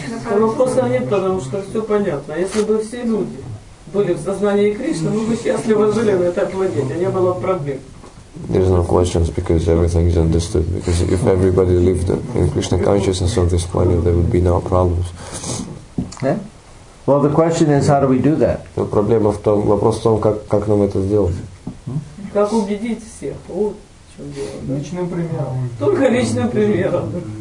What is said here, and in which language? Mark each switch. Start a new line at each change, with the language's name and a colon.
Russian: Вопросов нет, потому что все понятно. Если бы все люди были в сознании Кришны, мы бы счастливо жили на этой планете, не было бы проблем.
English: There's no questions because everything is understood. Because if everybody lived in Krishna consciousness on this planet, there would be no problems. Yeah. Well, the question is, how do we do that?
Russian: Но проблема в том, вопрос в том, как нам это сделать? Как убедить всех? Вот в чем дело. Личным примером. Только личным примером.